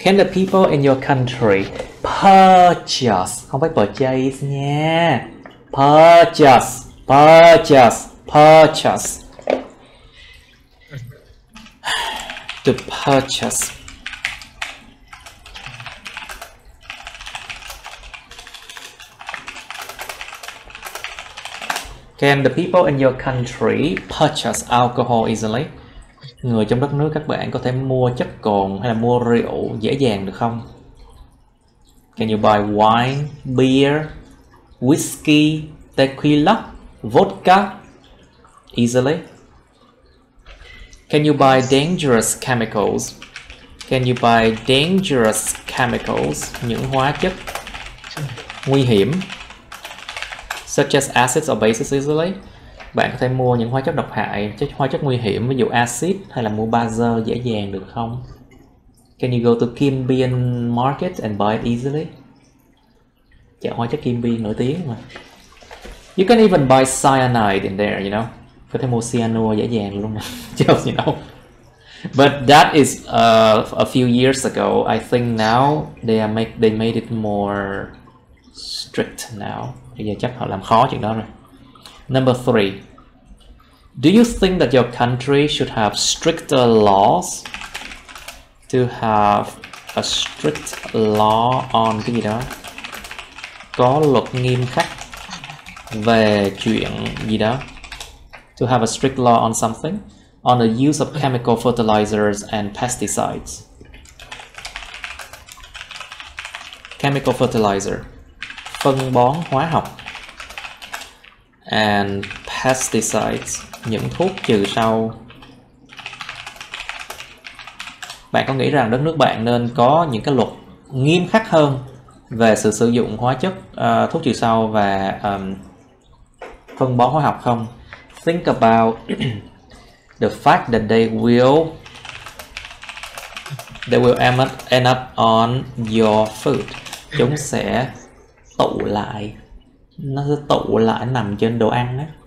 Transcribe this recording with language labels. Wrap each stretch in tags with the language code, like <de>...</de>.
<en>Can the people in your country purchase,</en> <vi>không phải purchase nha,</vi> <en>purchase, purchase, purchase, to purchase, can the people in your country purchase alcohol easily?</en> <vi>Người trong đất nước các bạn có thể mua chất cồn hay là mua rượu dễ dàng được không?</vi> <en>Can you buy wine, beer, whiskey, tequila, vodka easily? Can you buy dangerous chemicals? Can you buy dangerous chemicals,</en> <vi>những hóa chất nguy hiểm,</vi> <en>such as acids or bases easily?</en> <vi>Bạn có thể mua những hóa chất độc hại, chất hóa chất nguy hiểm, ví dụ acid, hay là mua bazơ dễ dàng được không?</vi> <en>Can you go to Kim Biên market and buy it easily?</en> <vi>Chợ hóa chất Kim Biên nổi tiếng mà.</vi> <en>You can even buy cyanide in there, you know.</en> <vi>Có thể mua cyanua dễ dàng luôn mà.</vi> <en>Just, you know. But that is a few years ago. I think now they made it more strict now.</en> <vi>Bây giờ chắc họ làm khó chuyện đó rồi.</vi> <en>Number 3. Do you think that your country should have stricter laws? To have a strict law on</en> <vi>cái gì đó. Có luật nghiêm khắc về chuyện gì đó.</vi> <en>To have a strict law on something, on the use of chemical fertilizers and pesticides. chemical fertilizer,</en> <vi>phân bón hóa học,</vi> <en>and pesticides,</en> <vi>những thuốc trừ sâu. Bạn có nghĩ rằng đất nước bạn nên có những cái luật nghiêm khắc hơn về sự sử dụng hóa chất, thuốc trừ sâu và phân bón hóa học không?</vi> <en>Think about the fact that they will end up on your food.</en> <vi>Chúng sẽ tụ lại, nó sẽ tụ lại nằm trên đồ ăn đó.</vi>